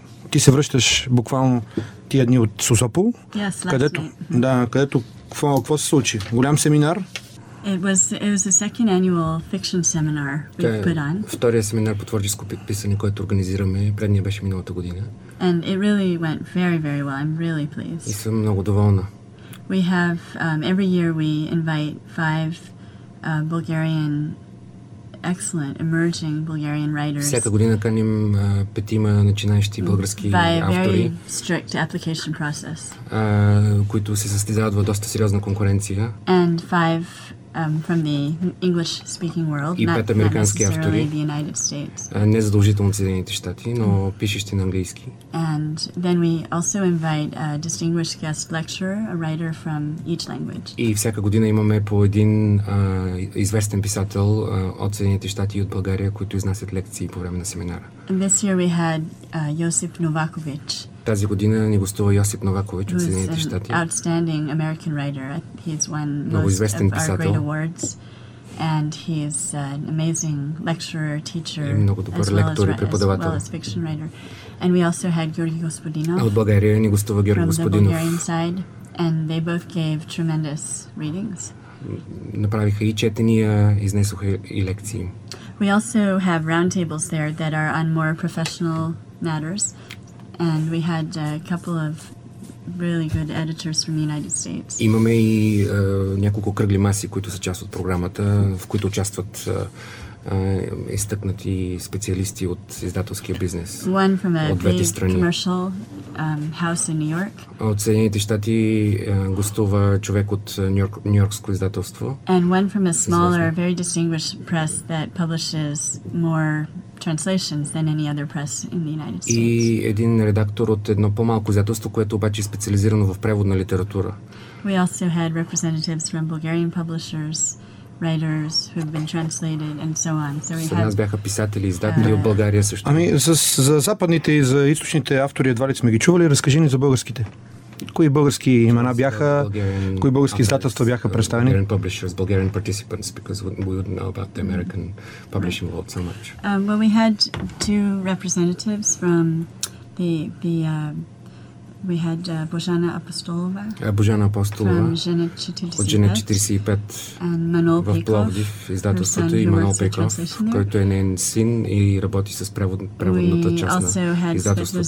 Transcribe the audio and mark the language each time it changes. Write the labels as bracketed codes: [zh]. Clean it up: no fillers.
[bg] Ти се връщаш буквално тия дни от Созопол. [en] Yes, [bg] където, mm-hmm. Да, където какво се случи? Голям семинар? [en] It was the second annual fiction seminar we put on. [bg] Втория семинар по творческо писане, който организираме. Предния беше миналата година. [en] And it really went very, very well. I'm really pleased. [bg] И съм много доволна. [en] We have, every year we invite five Bulgarian excellent emerging Bulgarian writers. [bg] Всяка година каним петима начинаещи български автори. [en] By a very strict application process. [bg] Които се състезават в доста сериозна конкуренция. [en] And five from the English speaking world. [bg] И пет американски автори. [en] The United States. [bg] Не задължително от Съединените щати, но пишещи на английски. [en] And then we also invite a distinguished guest lecturer, a writer from each language. [bg] И всяка година имаме по един известен писател от Съединените щати и от България, които изнасят лекции по време на семинара. [en] And this year we had Йосип Новакович. [bg] Тази година ни гостува Йосип Новакович от Съединените щати. [en] Outstanding American writer. He's won [bg] много известен писател. [en] Our great awards. And he's an amazing lecturer, teacher, [bg] много добър лектор и преподавател. [en] As well as fiction writer. And we also had Георги Господинов. [bg] От България ни гостува Георги Господинов. [en] From the Bulgarian side. And they both gave tremendous readings. [bg] Направиха и четения, изнесоха и лекции. [en] We also have roundtables there that are on more professional matters. And we had a couple of really good editors from the United States. [bg] Имаме и няколко кръгли маси, които са част от програмата, в които участват изтъкнати специалисти от издателския бизнес. [en] One from a big commercial house in New York. [bg] От Съединените щати гостува човек от нью-йоркско издателство. [en] And one from a smaller, very distinguished press that publishes more translations than any other press in the United States. [bg] И един редактор от едно по-малко издателство, което обаче е специализирано в преводна литература. [en] We also had representatives from Bulgarian publishers, writers who have been translated and so on. So we had. [bg] Нас бяха писатели, издатели от България също. Ами за западните и за източните автори едва ли сме ги чували, разкажи ни за българските. Кои български имена бяха, кои български издателства бяха представени? [en] Bulgarian publishers, Bulgarian participants, because we wouldn't know about the American publishing world so much. Well, we had two representatives from we had Božana Apostolova. Božana Apostolova. From Žene 45. [bg] От Žene 45. [en] And Manol Pekov. [bg] В Пловдив, издателството, и Манол Пекров, който е неин син и работи с преводната част на издателството.